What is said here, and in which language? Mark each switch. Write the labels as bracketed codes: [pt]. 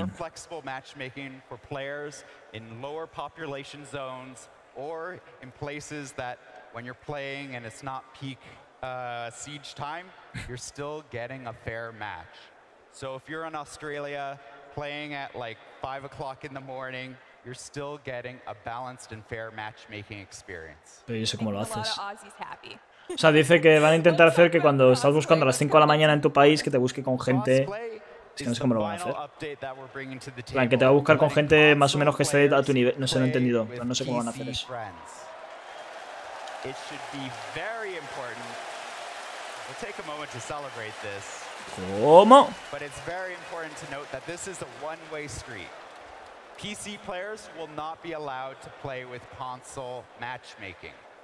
[en] More flexible matchmaking for players in lower population zones or in places that when you're playing and it's not peak siege time, you're still getting a fair match. So if you're in Australia playing at like 5 o'clock in the morning, you're still getting a balanced and fair matchmaking experience. [es] Pero yo sé cómo lo haces. O sea, dice que van a intentar hacer que cuando estás buscando a las 5 de la mañana en tu país, que te busque con gente. Es que no sé cómo lo van a hacer. Que te va a buscar con gente más o menos que esté a tu nivel. No sé, no he entendido. No sé cómo van a hacer eso. [en] It should be very important. We'll take a moment to celebrate this. [es] ¿Cómo? [en] But it's very important to note that this is a one-way street. PC players will not be allowed to play with console matchmaking.